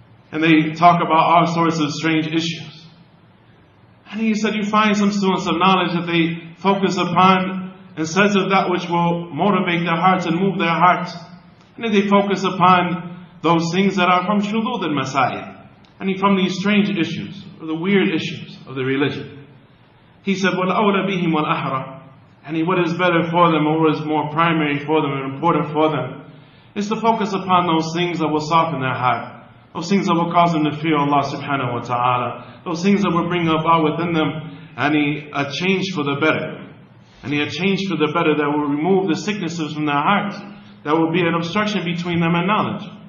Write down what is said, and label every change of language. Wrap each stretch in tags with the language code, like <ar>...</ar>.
<en>And they talk about all sorts of strange issues. And he said, you find some students of knowledge that they focus upon and sense of that which will motivate their hearts and move their hearts. And then they focus upon those things that are from shudud al-masail. And from these strange issues, or the weird issues of the religion. He said,</en> <ar>وَالْأَوْلَ بِهِمْ وَالْأَحْرَى.</ar> <en>And what is better for them, or what is more primary for them and important for them, is to focus upon those things that will soften their heart, those things that will cause them to fear Allah subhanahu wa ta'ala, those things that will bring about within them a change for the better. And a change for the better that will remove the sicknesses from their hearts, that will be an obstruction between them and knowledge.</en>